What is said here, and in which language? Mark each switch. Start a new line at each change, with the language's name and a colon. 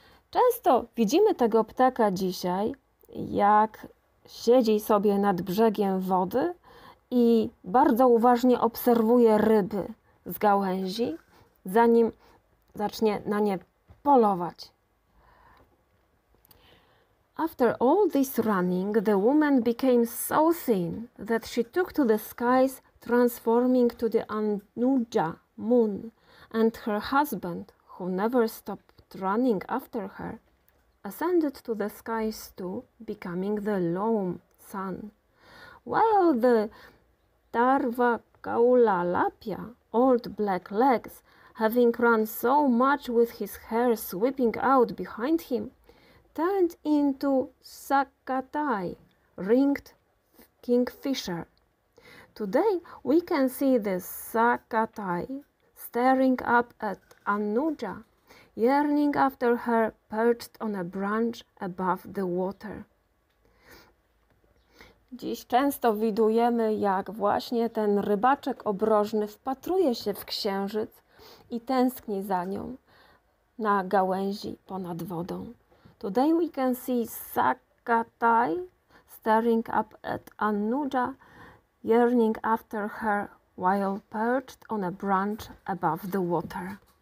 Polish: Często widzimy tego ptaka dzisiaj, jak siedzi sobie nad brzegiem wody i bardzo uważnie obserwuje ryby z gałęzi, zanim zacznie na nie polować.
English: After all this running, the woman became so thin that she took to the skies, transforming to the Anuja moon, and her husband, who never stopped running after her, ascended to the skies too, becoming the Lom sun, while the Tarva Kaula Lapia, old black legs, having run so much with his hair sweeping out behind him, turned into Sakatai, ringed kingfisher. Today we can see the Sakatai staring up at Anuja, yearning after her, perched on a branch above the water.
Polish: Dziś często widujemy, jak właśnie ten rybaczek obrożny wpatruje się w księżyc i tęskni za nią na gałęzi ponad wodą.
English: Today we can see Sakatai staring up at Anuja, yearning after her while perched on a branch above the water.